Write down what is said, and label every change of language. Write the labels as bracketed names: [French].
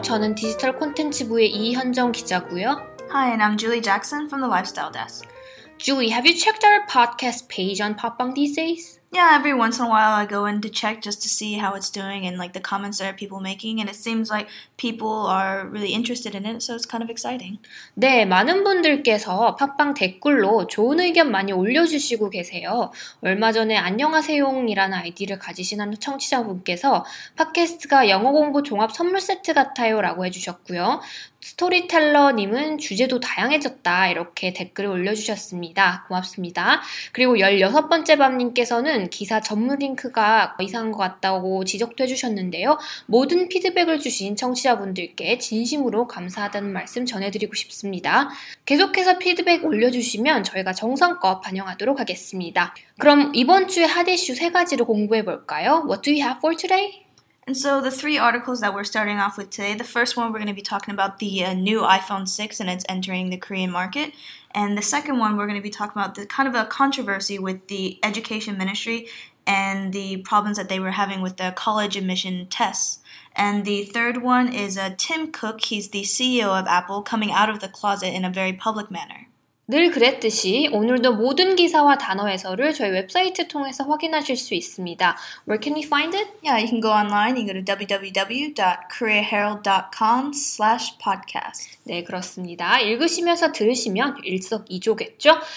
[Korean] 저는 디지털 콘텐츠부의 이현정 기자고요. [English] Hi, and I'm Julie Jackson from the Lifestyle Desk. Julie, have you checked our podcast page on Popbang these days? Yeah, every once in a while I go in to check just to see how it's doing and like the comments that are people making, and it seems like people are really interested in it, so it's kind of exciting. [Korean] 네, 많은 분들께서 팟빵 댓글로 좋은 의견 많이 올려주시고 계세요. 얼마 전에 안녕하세요이라는 아이디를 가지신 한 청취자분께서 팟캐스트가 영어 공부 종합 선물 세트 같아요 라고 해주셨고요. 스토리텔러님은 주제도 다양해졌다 이렇게 댓글을 올려주셨습니다. 고맙습니다. 그리고 16번째 밤님께서는 기사 전문 링크가 이상한 것 같다고 지적도 해주셨는데요. 모든 피드백을 주신 청취자분들께 진심으로 감사하다는 말씀 전해드리고 싶습니다. 계속해서 피드백 올려주시면 저희가 정성껏 반영하도록 하겠습니다. 그럼 이번 주에 핫 이슈 세 가지를 공부해볼까요? [English] What do we have for today? And so the three articles that we're starting off with today, the first one we're going to be talking about the new iPhone 6 and it's entering the Korean market. And the second one we're going to be talking about the kind of a controversy with the education ministry and the problems that they were having with the college admission tests. And the third one is Tim Cook, he's the CEO of Apple, coming out of the closet in a very public manner. [Korean] 늘 그랬듯이 오늘도 모든 기사와 단어 해설을 저희 웹사이트 통해서 확인하실 수 있습니다. [English] Where can you find it? Yeah, you can go online. You go to www.koreaherald.com/podcast. [Korean] 네, 그렇습니다. 읽으시면서 들으시면 일석이조겠죠?